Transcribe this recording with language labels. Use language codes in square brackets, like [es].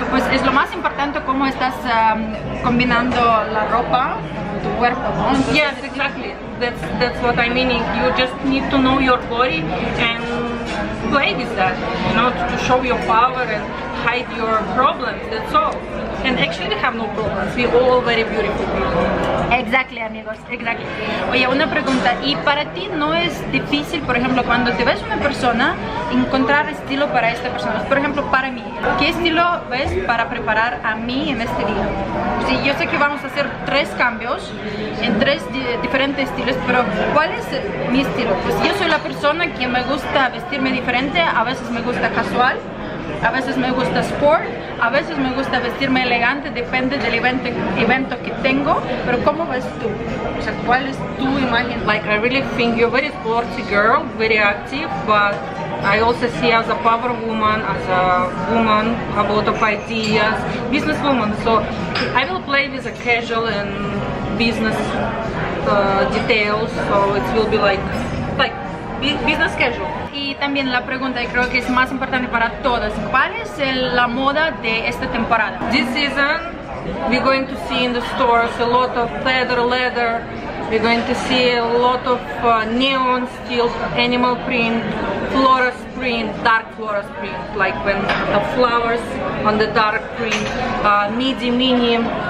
[es] Pues es lo más importante cómo estás combinando la ropa, tu cuerpo, ¿no? Entonces, [en] yes, exactly. That's what I mean. You just need to know your body and play with that, you know, to show your power and hide your problems. That's all. And actually, we have no problems. We all very beautiful people. Exactly, [es] amigos, [en] exactly. [es] Oye, una pregunta, ¿y para ti no es difícil, por ejemplo, cuando te ves una persona, encontrar estilo para esta persona? Por ejemplo, para mí, ¿qué estilo ves para preparar a mí en este día? Sí, yo sé que vamos a hacer 3 cambios en 3 diferentes estilos, pero ¿cuál es mi estilo? Pues yo soy la persona que me gusta vestirme diferente, a veces me gusta casual, a veces me gusta sport, a veces me gusta vestirme elegante, depende del evento que tengo. Pero ¿cómo ves tú? O sea, ¿cuál es tu imagen? [en] Like, I really think you're a very sporty girl, very active, but I also see as a power woman, as a woman, have a lot of ideas, business woman. So I will play with a casual and business details, so it will be like business casual. [es] Y también la pregunta, y creo que es más importante para todas, ¿cuál es la moda de esta temporada? [en] This season, we're going to see in the stores a lot of leather, we're going to see a lot of neon, steel, animal print, florist print, dark florist print, like when the flowers on the dark print, midi, mini.